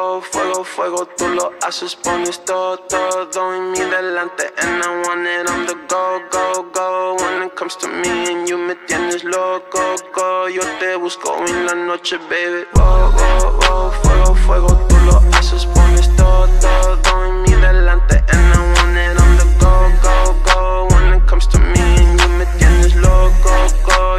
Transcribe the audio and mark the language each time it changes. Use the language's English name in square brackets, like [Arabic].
[Spanish] Fuego, fuego, tú lo haces, pones todo, todo en mi delante. [English] And I want it on the go, go, go. When it comes to me and you, [Spanish] me tienes loco, [English] go. [Spanish] Yo te busco en la noche, baby. Oh, oh, oh, fuego, fuego, tú lo haces, pones todo, todo en mi delante. [English] And I want it on the go, go, go. When it comes to me and you, [Spanish] me tienes loco, [English] go.